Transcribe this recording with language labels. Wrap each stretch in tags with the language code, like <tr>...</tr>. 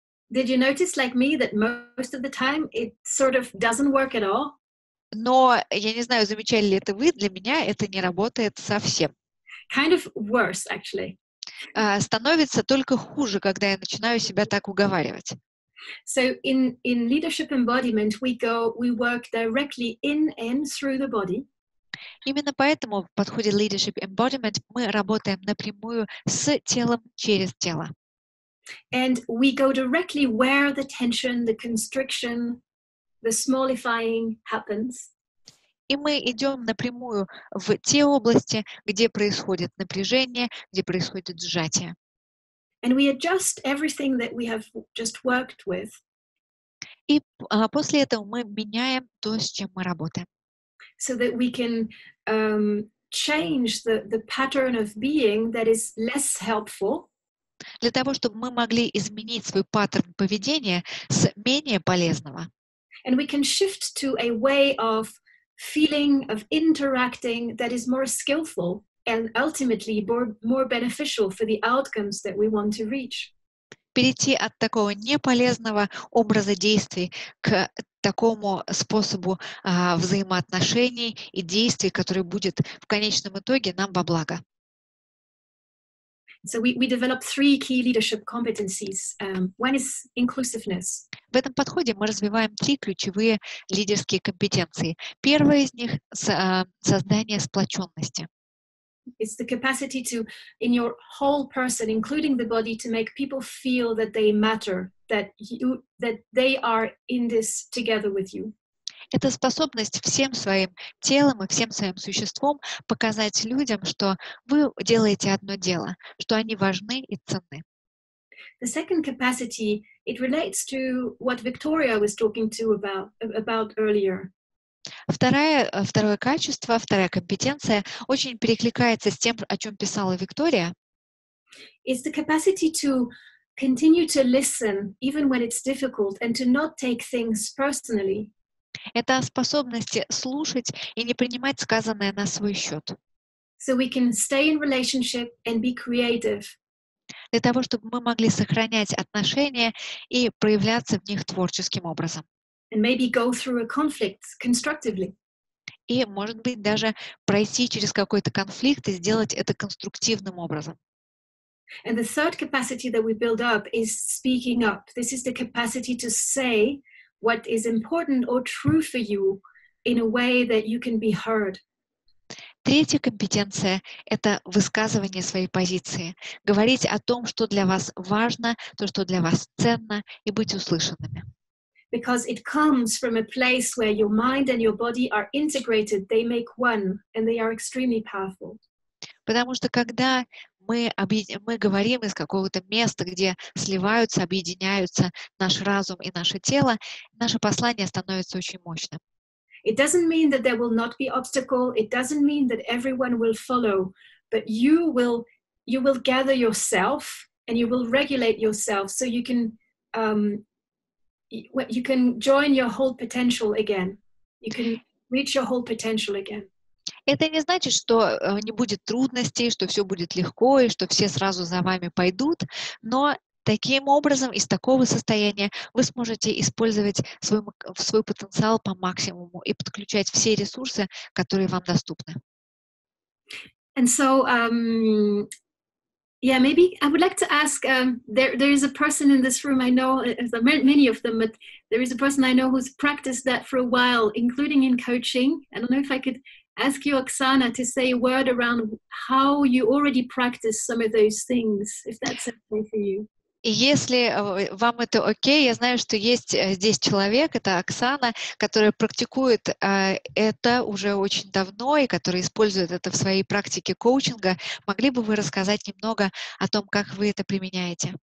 <ru>Но я не знаю, замечали ли это вы, для меня это не работает совсем.</ru> <en>Kind of worse, actually.</en> <ru>Становится только хуже, когда я начинаю себя так уговаривать.</ru> <en>So in leadership embodiment we work directly in and through the body.</en> <ru>Именно поэтому в подходе Leadership Embodiment мы работаем напрямую с телом через тело.</ru> <en>And we go directly where the tension, the constriction, the smallifying happens.</en> <ru>И мы идем напрямую в те области, где происходит напряжение, где происходит сжатие.</ru> <en>And we adjust everything that we have just worked with.</en> <ru>И после этого мы меняем то, с чем мы работаем.</ru> <en>So that we can change the pattern of being that is less helpful.</en> <ru>Для того, чтобы мы могли изменить свой паттерн поведения с менее полезного.</ru> <en>And we can shift to a way of feeling, of interacting that is more skillful and ultimately more beneficial for the outcomes that we want to reach.</en> <ru>Перейти от такого неполезного образа действий к такому способу взаимоотношений и действий, который будет в конечном итоге нам во благо.</ru> <en>So we develop three key leadership competencies. One is inclusiveness.</en> <ru>В этом подходе мы развиваем три ключевые лидерские компетенции. Первая из них создание сплоченности.</ru> <en>It's the capacity to, in your whole person, including the body, to make people feel that they matter, that they are in this together with you.</en> <ru>Это способность всем своим телом и всем своим существом показать людям, что вы делаете одно дело, что они важны и ценны.</ru> <en>The second capacity, it relates to what Victoria was talking to about earlier.</en> <ru>Второе качество, вторая компетенция очень перекликается с тем, о чем писала Виктория.</ru> <en>It's the capacity to continue to listen, even when it's difficult, and to not take things personally.</en> <ru>Это способность слушать и не принимать сказанное на свой счет.</ru> <en>So we can stay in relationship and be creative.</en> <ru>для того, чтобы мы могли сохранять отношения и проявляться в них творческим образом.</ru> <en>And maybe go through a conflict constructively.</en> <ru>И, может быть, даже пройти через какой-то конфликт и сделать это конструктивным образом.</ru> <en>And the third capacity that we build up is speaking up. This is the capacity to say what is important or true for you in a way that you can be heard.</en> <ru>Третья компетенция — это высказывание своей позиции. Говорить о том, что для вас важно, то, что для вас ценно, и быть услышанными.</ru> <en>Because it comes from a place where your mind and your body are integrated, they make one, and they are extremely powerful.</en> <ru>Потому что когда мы говорим из какого-то места, где сливаются, объединяются наш разум и наше тело, наше послание становится очень мощным.</ru> <en>It doesn't mean that there will not be obstacle, it doesn't mean that everyone will follow, but you will gather yourself and you will regulate yourself so you can join your whole potential again. You can reach your whole potential again.</en> <ru>Это не значит, что не будет трудностей, что все будет легко и что все сразу за вами пойдут, но таким образом, из такого состояния вы сможете использовать свой потенциал по максимуму и подключать все ресурсы, которые вам доступны.</ru> <en>And so, yeah, maybe I would like to ask, there is a person in this room, I know many of them, but there is a person I know who's practiced that for a while, including in coaching. I don't know if I could ask you, Оксана, to say a word around how you already practice some of those things, if that's okay for you.</en> <ru>Если вам это окей, я знаю, что есть здесь человек, это Оксана, которая практикует это уже очень давно и которая использует это в своей практике коучинга. Могли бы вы рассказать немного о том, как вы это применяете?</ru>